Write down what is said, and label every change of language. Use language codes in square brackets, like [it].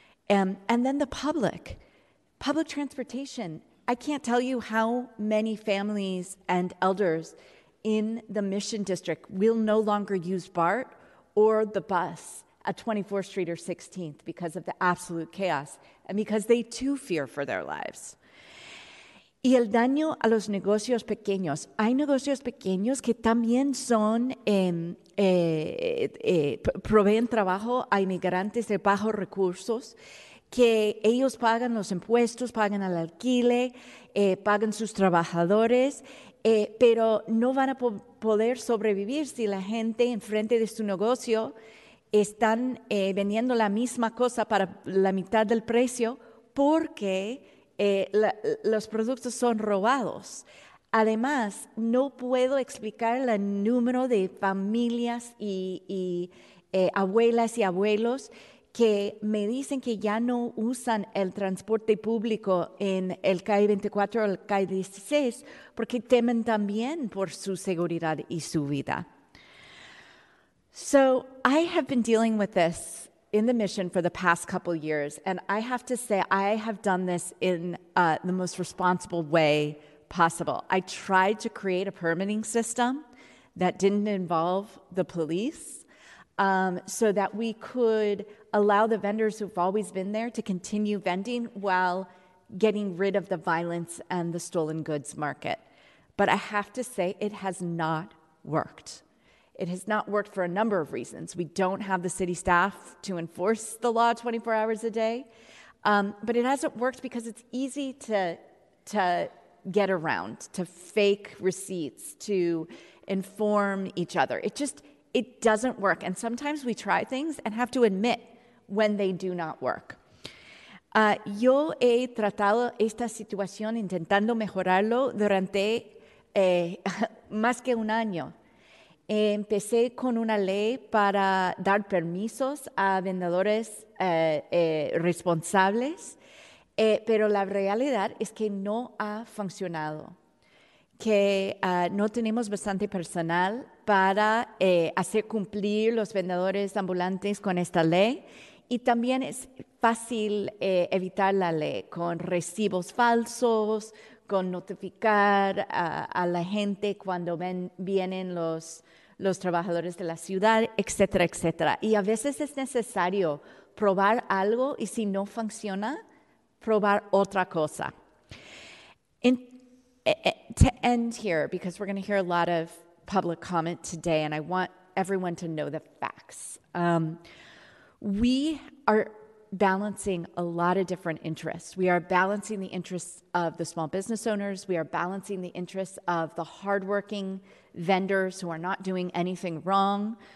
[en] And then the public transportation. I can't tell you how many families and elders in the Mission District will no longer use BART or the bus at 24th Street or 16th because of the absolute chaos and because they too fear for their lives. [es] Y el daño a los negocios pequeños. Hay negocios pequeños que también son proveen trabajo a inmigrantes de bajos recursos, que ellos pagan los impuestos, pagan el alquiler, pagan sus trabajadores, pero no van a poder sobrevivir si la gente enfrente de su negocio están vendiendo la misma cosa para la mitad del precio porque los productos son robados. Además, no puedo explicar el número de familias y abuelas y abuelos que me dicen que ya no usan el transporte público en el CAI 24 o el CAI 16 porque temen también por su seguridad y su vida. [en] So I have been dealing with this in the Mission for the past couple years, and I have to say I have done this in the most responsible way possible. I tried to create a permitting system that didn't involve the police so that we could allow the vendors who've always been there to continue vending while getting rid of the violence and the stolen goods market. But I have to say it has not worked. It has not worked for a number of reasons. We don't have the city staff to enforce the law 24 hours a day. But it hasn't worked because it's easy to get around, to fake receipts, to inform each other. It doesn't work. And sometimes we try things and have to admit when they do not work. [es] Yo he tratado esta situación intentando mejorarlo durante más que un año. Empecé con una ley para dar permisos a vendedores responsables, pero la realidad es que no ha funcionado, que no tenemos bastante personal para hacer cumplir los vendedores ambulantes con esta ley, y también es fácil evitar la ley con recibos falsos, con notificar a la gente cuando vienen los trabajadores de la ciudad, etcétera, etcétera. Y a veces es necesario probar algo y si no funciona, probar otra cosa. [en] To end here, because we're going to hear a lot of public comment today, and I want everyone to know the facts. We are balancing a lot of different interests. We are balancing the interests of the small business owners. We are balancing the interests of the hardworking vendors who are not doing anything wrong.